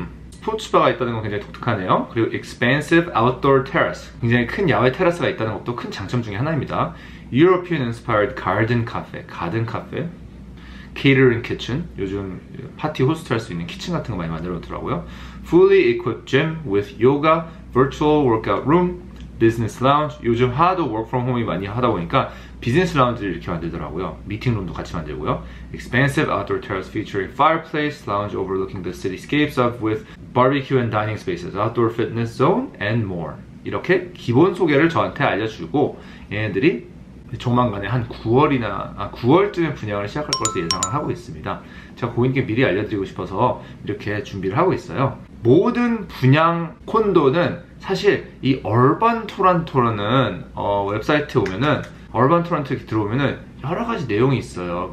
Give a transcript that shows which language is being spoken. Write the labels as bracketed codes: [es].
[ko] 스포츠바가 있다는 건 굉장히 독특하네요. 그리고 [en] expansive outdoor terrace, [ko] 굉장히 큰 야외 테라스가 있다는 것도 큰 장점 중에 하나입니다. [en] European inspired garden cafe, garden cafe, catering kitchen, [ko] 요즘 파티 호스트할 수 있는 키친 같은 거 많이 만들어 놓더라고요. [en] Fully equipped gym with yoga, virtual workout room, business lounge. [ko] 요즘 하도 [en] work from home [ko] 이 많이 하다 보니까 비즈니스 라운지를 이렇게 만들더라고요. 미팅 룸도 같이 만들고요. [en] Expansive outdoor terrace featuring fireplace, lounge overlooking the cityscapes of with barbecue and dining spaces, outdoor fitness zone and more. [ko] 이렇게 기본 소개를 저한테 알려주고, 얘네들이 조만간에 한 9월쯤에 분양을 시작할 것으로 예상을 하고 있습니다. 제가 고객님께 미리 알려드리고 싶어서 이렇게 준비를 하고 있어요. 모든 분양 콘도는 사실 이 얼반 토란토라는 웹사이트 오면은, 얼반 토란토 들어오면은 여러 가지 내용이 있어요.